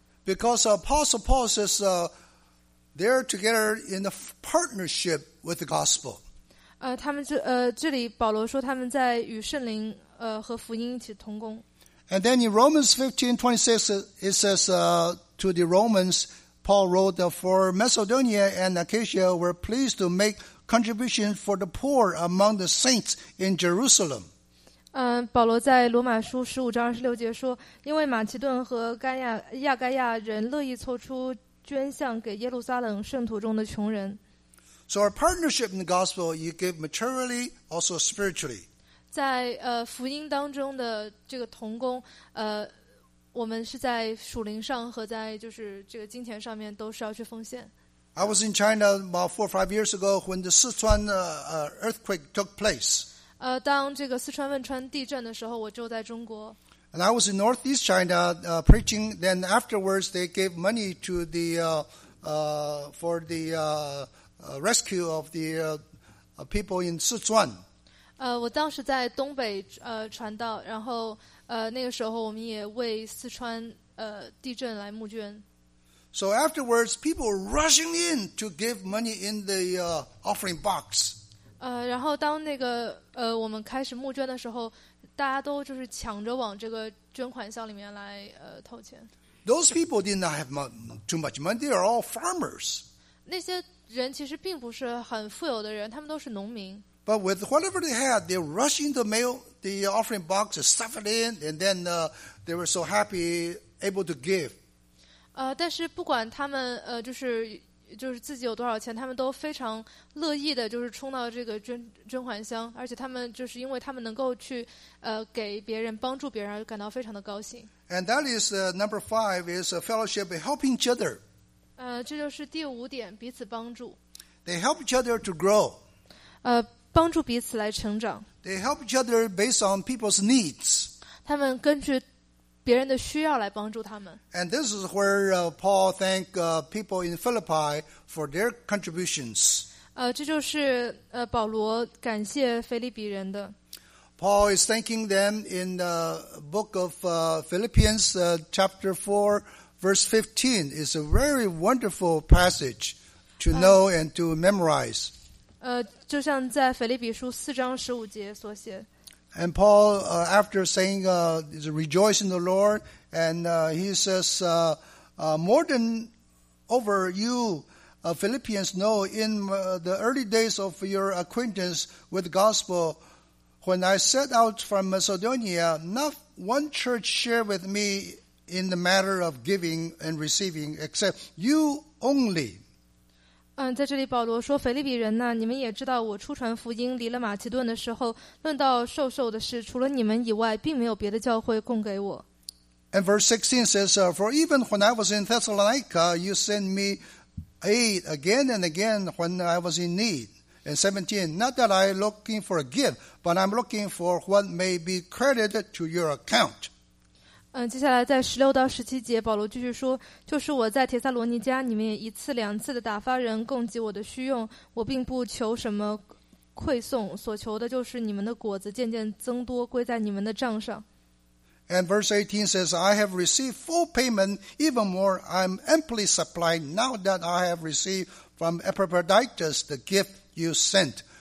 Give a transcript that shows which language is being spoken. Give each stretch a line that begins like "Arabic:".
English: Because Apostle Paul says, they're together in a partnership with the gospel.
Chinese: 他们这里保罗说他们在与圣灵和福音一起同工。
English: And then in Romans 15:26, it says, to the Romans. Paul wrote, for Macedonia and Achaia were pleased to make contributions for the poor among the saints in Jerusalem.
Chinese: 保罗在罗马书15:26说，因为马其顿和亚该亚人乐意凑出捐项给耶路撒冷圣徒中的穷人。
English: So our partnership in the gospel, you give materially, also spiritually.
Chinese: 在福音当中的这个同工，我们是在属灵上和在就是这个金钱上面都是要去奉献。
English: I was in China about 4 or 5 years ago when the Sichuan earthquake took place.
Chinese: 当这个四川汶川地震的时候，我就在中国。
English: And I was in northeast China preaching. Then afterwards, they gave money to the for the rescue of the people in Sichuan.
Chinese: 我当时在东北传道，然后。那个时候我们也为四川地震来募捐。
English: So afterwards, people rushing in to give money in the offering box.
Chinese: 然后当那个我们开始募捐的时候，大家都就是抢着往这个捐款箱里面来投钱。
English: Those people did not have too much money. They are all farmers.
Chinese: 那些人其实并不是很富有的人，他们都是农民。
English: But with whatever they had, they rushed into the offering box, stuffed it in, and then they were so happy, able to give.
Chinese: 但是不管他们就是自己有多少钱，他们都非常乐意的，就是冲到这个捐款箱，而且他们就是因为他们能够去给别人帮助别人，感到非常的高兴。
English: And that is number 5 is a fellowship helping each other.
Chinese: 这就是第五点，彼此帮助。
English: They help each other to grow.
Chinese: 帮助彼此来成长。
English: They help each other based on people's needs.
Chinese: 他们根据别人的需要来帮助他们。
English: And this is where Paul thank people in Philippi for their contributions.
Chinese: 这就是保罗感谢腓立比人的。
English: Paul is thanking them in the book of Philippians chapter 4 verse 15. It's a very wonderful passage to know and to memorize.
Chinese: 就像在腓立比书4:15所写。
English: And Paul, after saying, is rejoice in the Lord, and he says, more than over you, Philippians know, in the early days of your acquaintance with the gospel, when I set out from Macedonia, not one church shared with me in the matter of giving and receiving, except you only.
Chinese: 在这里保罗说腓立比人呢、啊、你们也知道我初传福音离了马其顿的时候论到受受的事除了你们以外并没有别的教会供给我。
English: And verse 16 says, for even when I was in Thessalonica, you sent me aid again and again when I was in need. And 17, not that I'm looking for a gift, but I'm looking for what may be credited to your account.
Chinese: 接下来在16-17，保罗继续说，就是我在帖撒罗尼迦，你们也一次两次的打发人供给我的需用，我并不求什么馈送，所求的就是你们的果子渐渐增多，归在你们的账上。
English: And verse 18 says, I have received full payment, even more, I'm amply supplied now that I have received from Epaphroditus the gift you sent.